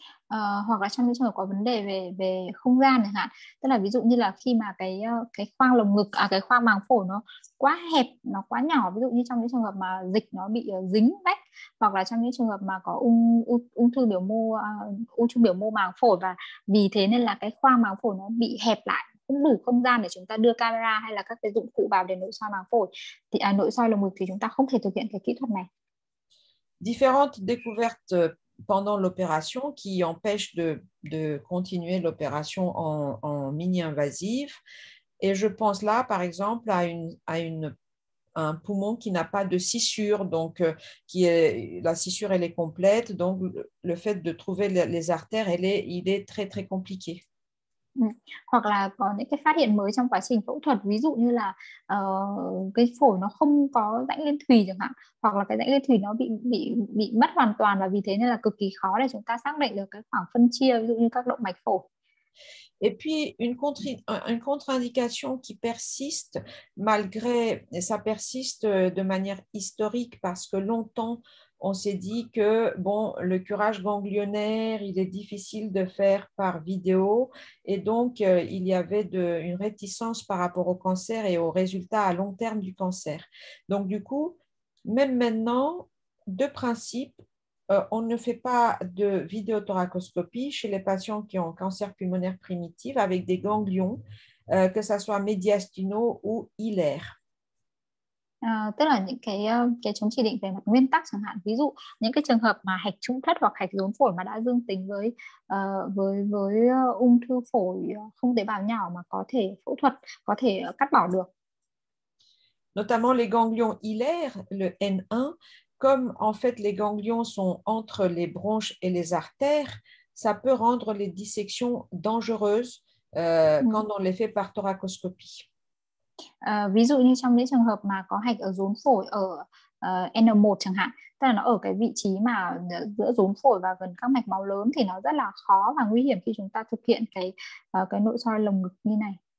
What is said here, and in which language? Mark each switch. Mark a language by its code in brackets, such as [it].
[vi] Hoặc là trong những trường hợp có vấn đề về không gian chẳng hạn, tức là ví dụ như là khi mà cái khoang lồng ngực, cái khoang màng phổi nó quá hẹp, nó quá nhỏ, ví dụ như trong những trường hợp mà dịch nó bị dính vách, hoặc là trong những trường hợp mà có ung thư biểu mô màng phổi, và vì thế nên là cái khoang màng phổi nó bị hẹp lại, không đủ không gian để chúng ta đưa camera hay là các cái dụng cụ vào để nội soi màng phổi, thì nội soi lồng ngực thì chúng ta không thể thực hiện cái kỹ thuật này. [fr] Différentes découvertes pendant l'opération qui empêche de continuer l'opération en mini-invasive. Et je pense là, par exemple, à un poumon qui n'a pas de scissure, donc la scissure, elle est complète. Donc, le fait de trouver les artères, il est très, très compliqué. [vi] Hoặc là có những cái phát hiện mới trong quá trình phẫu thuật, ví dụ như là cái phổi nó không có rãnh liên thùy chẳng hạn, hoặc là cái rãnh liên thùy nó bị mất hoàn toàn, và vì thế nên là cực kỳ khó để chúng ta xác định được cái khoảng phân chia, ví dụ như các động mạch phổi. [fr] Et puis une contre-indication qui persiste malgré, et ça persiste de manière historique parce que longtemps on s'est dit que bon, le curage ganglionnaire, il est difficile de faire par vidéo et donc il y avait une réticence par rapport au cancer et aux résultats à long terme du cancer. Donc du coup, même maintenant, de principe, on ne fait pas de vidéothoracoscopie chez les patients qui ont cancer pulmonaire primitif avec des ganglions, que ce soit médiastinaux ou hilaires. [vi] Tức là những cái chống chỉ định về mặt nguyên tắc chẳng hạn, ví dụ những cái trường hợp mà hạch trung thất hoặc hạch rốn phổi mà đã dương tính với ung thư phổi không tế bào nhỏ mà có thể phẫu thuật, có thể cắt bỏ được. [fr] Notamment les ganglions hilaires, le N1, comme en fait les ganglions sont entre les bronches et les artères, ça peut rendre les dissections dangereuses quand on les fait par thoracoscopie. [vi] Ví dụ như trong những trường hợp mà có hạch ở rốn phổi ở N1 chẳng hạn, tức là nó ở cái vị trí mà giữa rốn phổi và gần các mạch máu lớn, thì nó rất là khó và nguy hiểm khi chúng ta thực hiện cái nội soi lồng ngực như này.